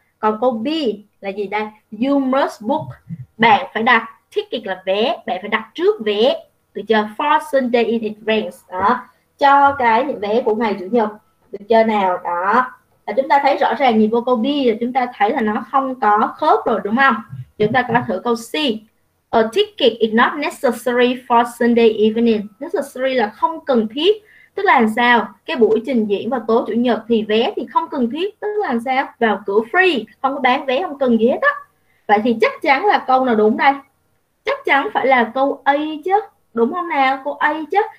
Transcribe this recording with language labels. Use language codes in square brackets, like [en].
[vi] Còn câu B là gì đây? [en] You must book, [vi] bạn phải đặt ticket là vé, bạn phải đặt trước vé, được chưa? [en] For Sunday in advance [vi] đó, cho cái vé của ngày chủ nhật, được chưa nào? Đó là chúng ta thấy rõ ràng nhìn vô câu B là chúng ta thấy là nó không có khớp rồi đúng không? Chúng ta có thử câu C. [en] A ticket is not necessary for Sunday evening. [vi] Necessary là không cần thiết. Tức là sao? Cái buổi trình diễn vào tối chủ nhật thì vé thì không cần thiết. Tức là sao? Vào cửa free, không có bán vé, không cần gì hết á. Vậy thì chắc chắn là câu nào đúng đây? Chắc chắn phải là câu A chứ, đúng không nào? Câu A chứ.